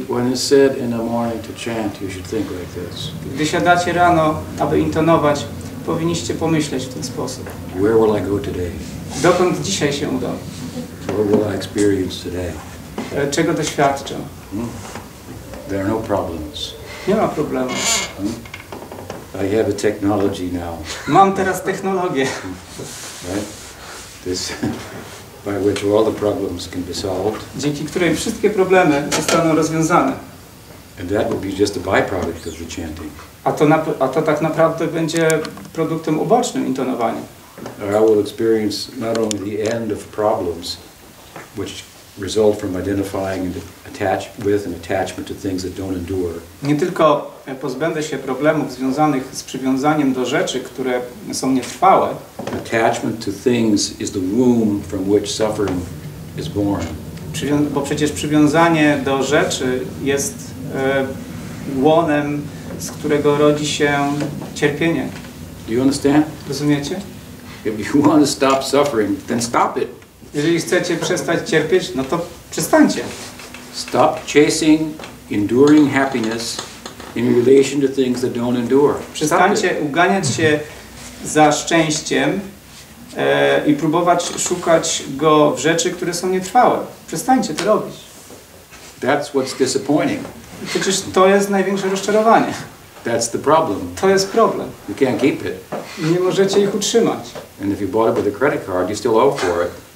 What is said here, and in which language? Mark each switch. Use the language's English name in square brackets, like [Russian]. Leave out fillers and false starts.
[English] When you sit in the morning to chant, you should think like this. [Polish] Gdy siadacie rano, aby intonować, powinniście pomyśleć w ten sposób. [English] Where will I go today? [Polish] Dokąd dzisiaj się udam? [English] What will I experience today? [Polish] Czego doświadczę? [English] There are no problems. [Polish] Nie ma problemu. [English] I have a technology now. [Polish] Mam teraz technologię. [English] Right? This, by which all the problems can be solved. [Polish] Dzięki której wszystkie problemy zostaną rozwiązane. [English] And that would be just a byproduct of the chanting. [Polish] A to tak naprawdę będzie produktem ubocznym intonowania. [English] Or I will experience not only the end of problems, which result from identifying and attachment to things that don't endure. [Polish] Nie tylko pozbędę się problemów związanych z przywiązaniem do rzeczy, które są nietrwałe. [English] Attachment to things is the womb from which suffering is born. [Polish] Bo przecież przywiązanie do rzeczy jest łonem, z którego rodzi się cierpienie. [English] Do you understand? [Polish] Rozumiecie? [English] If you want to stop suffering, then stop it. [Polish] Jeżeli chcecie przestać cierpieć, no to przestańcie. [English] Stop chasing enduring happiness in relation to things that don't endure. [Polish] Przestańcie uganiać się za szczęściem i próbować szukać go w rzeczy, które są nietrwałe. Przestańcie to robić. [English] That's what's disappointing. [Polish] Przecież to jest największe rozczarowanie. [English] That's the problem. [Polish] To jest problem. [English] You can't keep it. [Polish] Nie możecie ich utrzymać. [English] And if you bought it with a credit card, you still owe for it.